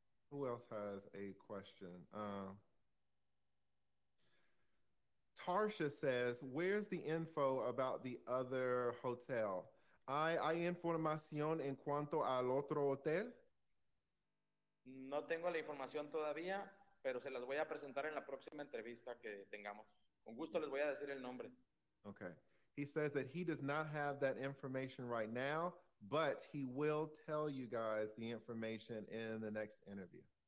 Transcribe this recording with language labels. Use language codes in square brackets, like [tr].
[en] Who else has a question? Tarsha says, where's the info about the other hotel? [es] ¿Hay información en cuanto al otro hotel? No tengo la información todavía, pero se las voy a presentar en la próxima entrevista que tengamos. Con gusto les voy a decir el nombre. Okay. [en] He says that he does not have that information right now, but he will tell you guys the information in the next interview.